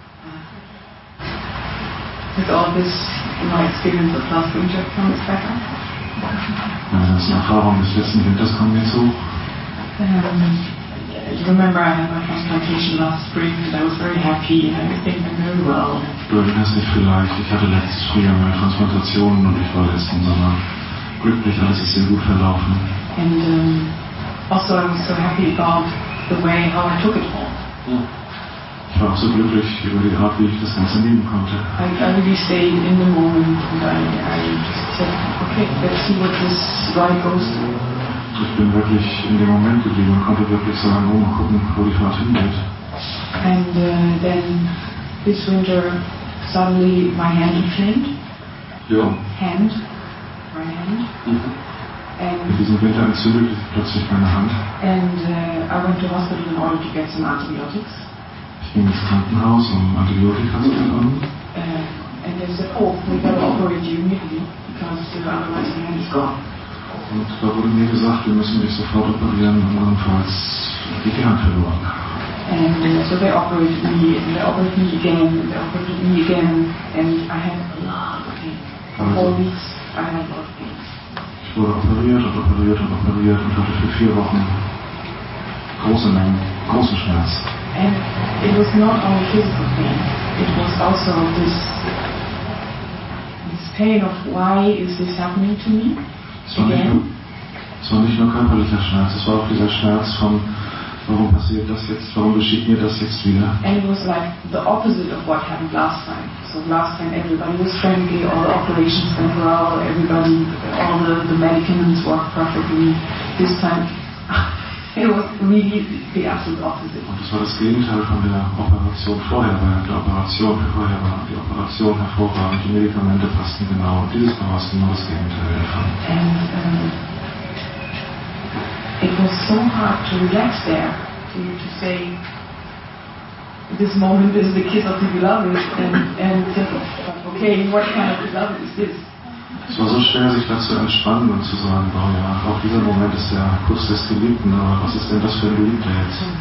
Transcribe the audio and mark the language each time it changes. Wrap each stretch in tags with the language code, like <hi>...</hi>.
<en>With all this, my experience of last winter comes back up.</en> <de>Also das ist Erfahrung des letzten Winters kommt jetzt hoch.</de> <en>Remember, I had my transplantation last spring, and I was very happy, and everything went very well.</en> <de>Du erinnerst dich vielleicht, ich hatte letztes Frühjahr meine Transplantation und ich war letzten Sommer glücklich, alles ist sehr gut verlaufen.</de> <en>And also I was so happy about the way how I took it all.</en> <de>Ich war auch so glücklich über die Art, wie ich das Ganze nehmen konnte.</de> <en>I really stayed in the moment and I just said, okay, let's see what this ride goes through.</en> <de>Ich bin wirklich in dem Moment geblieben und konnte wirklich sagen, oh, mal gucken, wo die Fahrt hingeht.</de> <en>And then this winter, suddenly my hand inflamed.</en> <de>Ja.</de> <en>Hand. My hand. And</en> <de>in diesem Winter entzündete plötzlich meine Hand.</de> <en>And I went to hospital in order to get some antibiotics.</en> <de>Ich ging ins Krankenhaus, um Antibiotika zu bekommen.</de> <en>And they said, oh, we gotta operate you immediately, because otherwise your hand is gone.</en> <de>Und da wurde mir gesagt, wir müssen dich sofort operieren, andernfalls geht die Hand verloren.</de> <en>And so they operated me, and they operated me again, and they operated me again, and I had a lot of pain. For 4 weeks, I had a lot of pain.</en> <de>Ich wurde operiert und operiert und operiert und hatte für 4 Wochen große Mengen, großen Schmerz.</de> <en>And it was not only physical pain, it was also this pain of why is this happening to me?</en> <de>Es war nicht nur körperlicher Schmerz, es war auch dieser Schmerz von warum passiert das jetzt, warum geschieht mir das jetzt wieder?</de> <en>And it was like the opposite of what happened last time. So last time everybody was friendly, all the operations went well, everybody, all the medicaments worked perfectly. This time it was really the absolute opposite.</en> <de>Und das war das Gegenteil von der Operation vorher, weil die Operation vorher war die Operation hervorragend, die Medikamente passten genau und dieses Mal war es genau das Gegenteil davon.</de> <en>And it was so hard to relax there, to say this moment is the kiss of the beloved and okay, what kind of beloved is this?</en> <de>Es war so schwer, sich da zu entspannen und zu sagen, oh ja, auch dieser Moment ist der Kuss des Geliebten, aber was ist denn das für ein Geliebter jetzt?</de>